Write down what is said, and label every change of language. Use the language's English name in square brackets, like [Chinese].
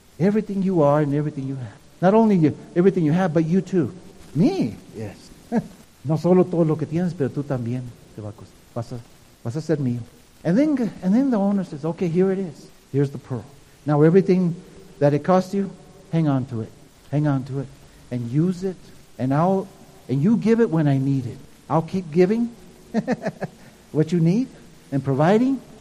[English] Everything you are and everything you have. Not only you, everything you have, but you too. Me? Yes. [Spanish] No solo todo lo que tienes, pero tú también te va a costar. Vas a ser mío. [English] And then the owner says, okay, here it is. Here's the pearl. Now everything that it costs you, hang on to it. Hang on to it. And use it. And you give it when I need it. I'll keep giving what you need and providing.